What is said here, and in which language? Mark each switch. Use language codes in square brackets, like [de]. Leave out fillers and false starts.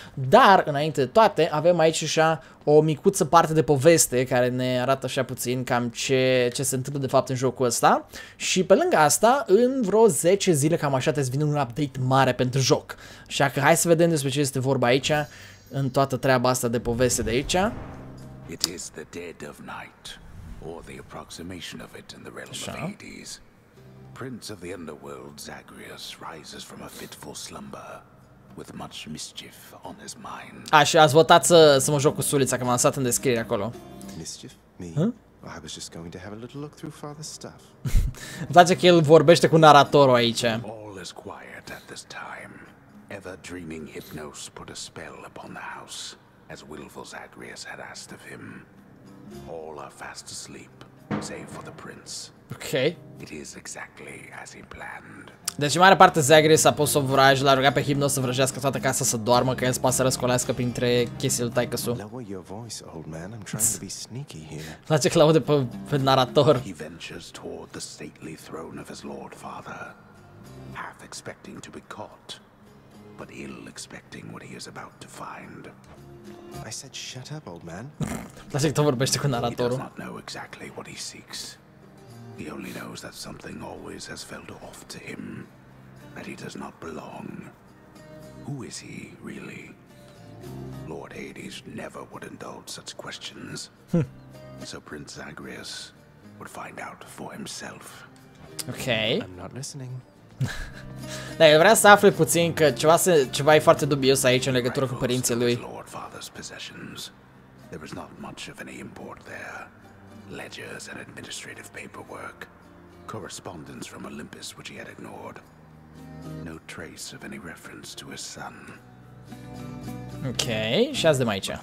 [ro] Dar, înainte de toate, avem aici așa o micuță parte de poveste care ne arată așa puțin cam ce se întâmplă de fapt în jocul ăsta. Și pe lângă asta, în vreo 10 zile cam așa trebuie să vină un update mare pentru joc. Așa că hai să vedem despre ce este vorba aici, în toată treaba asta de poveste de aici. [en] It is the dead of night, or the approximation of it in the realm of Hades. Prince of the underworld, Zagreus, rises from a fitful slumber with much mischief on his mind. [ro] Așa, ați votat să mă joc cu sulița, că m-am lăsat în descriere acolo. [en] Mischief? Me? Huh? I was just going to have a little look through father's stuff. [ro] Îmi place că el vorbește cu naratorul aici. [en] All is quiet at this time. Ever dreaming Hypnos put a spell upon the house, as willful Zagreus had asked of him. All are fast asleep, save for the prince. Okay. It is exactly as he planned. [ro] Deci în mare parte Zagreus a pus o vrajă, l-a rugat pe Hypnos să vrăjească toată casa să doarmă, ca el să poată să răscolească printre chestii lui taică-su. [en] Lower your voice, old man, I'm trying to be sneaky here. [ro] Place că l-aude pe narator. [en] He ventures toward the stately throne of his lord father, half expecting to be caught, but ill expecting what he is about to find. I said shut up, old man. [ro] Place că tot vorbește cu naratorul. [en] He does not know exactly what he seeks. He only knows that something always has felt off to him, that he does not belong. Who is he, really? Lord Hades never would indulge such questions. So Prince Zagreus would find out for himself. Okay. I'm not listening. [ro] Da, el vrea să afle puțin că ceva e foarte dubios aici în legătură cu părinții lui. [en] Lord Father's possessions. There is not much of any import there. Ledgers and administrative paperwork, correspondence from Olympus which he had ignored, no trace of any reference to his son. Okay, shaz de maicha.